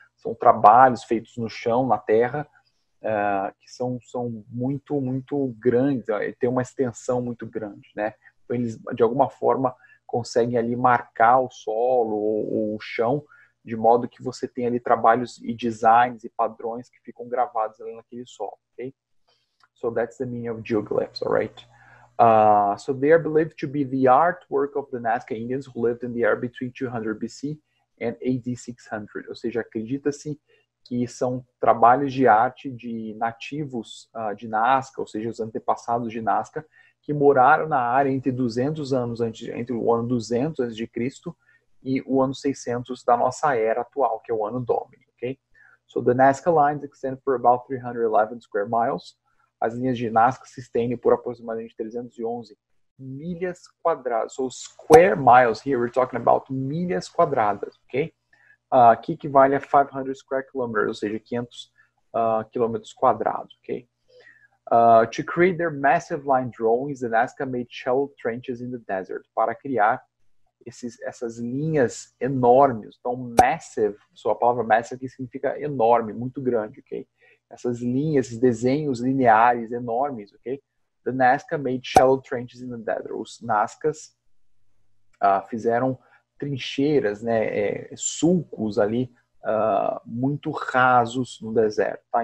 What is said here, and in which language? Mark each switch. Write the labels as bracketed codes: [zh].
[pt] São trabalhos feitos no chão, na terra, que são muito, muito grandes. Tem uma extensão muito grande. Né? Então, eles, de alguma forma, conseguem ali marcar o solo ou o chão, de modo que você tem ali trabalhos e designs e padrões que ficam gravados ali naquele solo, ok? [en] So that's the meaning of geoglyphs, all right? So they are believed to be the artwork of the Nazca Indians who lived in the era between 200 BC and AD 600. [pt] Ou seja, acredita-se que são trabalhos de arte de nativos de Nazca, ou seja, os antepassados de Nazca, que moraram na área entre 200 anos antes, entre o ano 200 antes de Cristo e o ano 600 da nossa era atual, que é o ano Domini, ok? [en] So the Nazca lines extend for about 311 square miles. [pt] As linhas de Nazca se estendem por aproximadamente 311 milhas quadradas. [en] So square miles, here we're talking about [pt] milhas quadradas, [en] ok? [pt] Que equivale a 500 [en] square kilometers, [pt] ou seja, 500 quilômetros quadrados, ok? [en] To create their massive line drawings, the Nazca made shallow trenches in the desert. [pt] Para criar essas linhas enormes, tão massive, só a palavra massive que significa enorme, muito grande, ok? Essas linhas, esses desenhos lineares enormes, ok? [en] The Nazca made shallow trenches in the desert. [pt] Os Nazcas fizeram trincheiras, né, sulcos ali, muito rasos no deserto, tá?